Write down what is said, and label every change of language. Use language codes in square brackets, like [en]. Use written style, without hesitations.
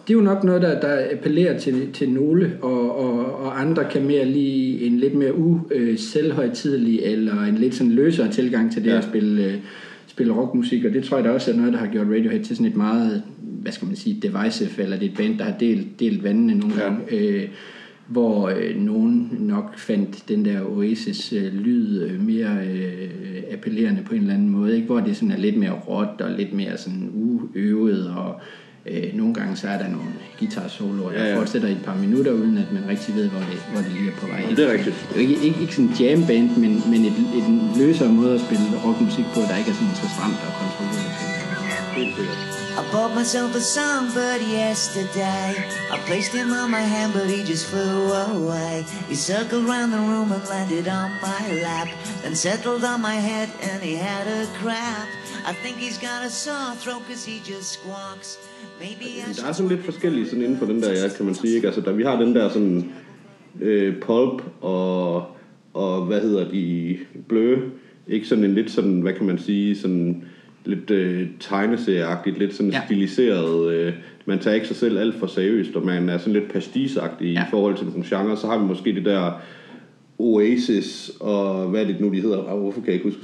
[da] Det er jo nok noget, der appellerer til nogle, og andre kan mere lige en lidt mere uselvhøjtidelig eller en lidt sådan løsere tilgang til det at spille rockmusik, og det tror jeg da også er noget, der har gjort Radiohead til sådan et meget, hvad skal man sige, divisive, eller det er et band, der har delt vandene nogle gange, hvor nogen nok fandt den der Oasis lyd mere appellerende på en eller anden måde, ikke? Hvor det sådan er lidt mere råt og lidt mere sådan uøvet og Nogle gange så er der nogle guitar-soloer, der fortsætter i et par minutter, uden at man rigtig ved, hvor det lige er på vej. Det er rigtigt. Det er ikke sådan en jam-band, men et løsere måde at spille rockmusik på, der ikke er sådan så stramt og kontrolleret. Helt sikkert. [en] I bought myself a songbird yesterday. I placed him on my hand, but he just flew away. He circled round the room and landed on my lap. Then settled on my head and he had a crap. I think he's got a sore throat cause he just squawks. [da] Der er sådan lidt forskellige sådan inden for den der, ja, kan man sige, ikke? Altså, der, vi har den der sådan pulp og hvad hedder de, blø, ikke sådan en lidt sådan, hvad kan man sige, sådan lidt tegneserieagtigt, lidt sådan stiliseret, man tager ikke sig selv alt for seriøst, og man er sådan lidt pastisagtig i forhold til nogle genre, så har vi måske det der Oasis, og hvad er det nu, de hedder? Hvorfor kan jeg ikke huske?